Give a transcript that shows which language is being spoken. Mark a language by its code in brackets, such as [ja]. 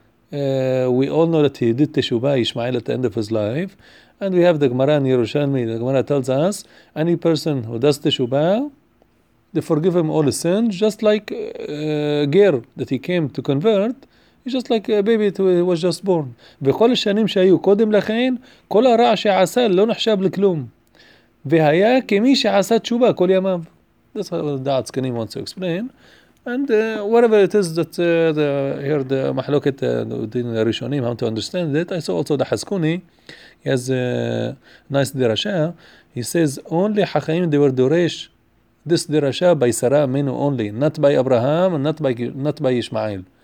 [en] We all know that he did teshuva, Ishmael, at the end of his life. And we have the Gemara in Yerushalmi. The Gemara tells us, any person who does teshuva, they forgive him all his sins, just like Ger, that he came to convert. He's just like a baby who was just born. [he] וכל השנים שהיו קודם לכן, כל הרע שעשה לא נחשב לכלום. והיה כמי שעשה תשובה כל ימיו. [en] That's what the Da'at Skani wants to explain. And whatever it is that here the Mahlokit Din Rishonim, how to understand it, I saw also the Haskuni, he has a nice dirasha. He says, only Hachaim, they were Duresh, this dirasha by Sarah, meaning only, not by Abraham, not by Ishmael.